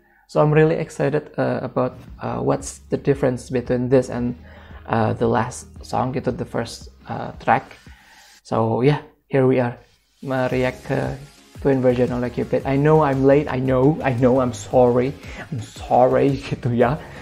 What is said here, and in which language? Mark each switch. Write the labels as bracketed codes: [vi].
[en] So I'm really excited about what's the difference between this and the last song [id] gitu, [en] the first track. So yeah, here we are. [id] Mereact ke twin version oleh Cupid. [en] I know I'm late, I know, I'm sorry [id] gitu ya.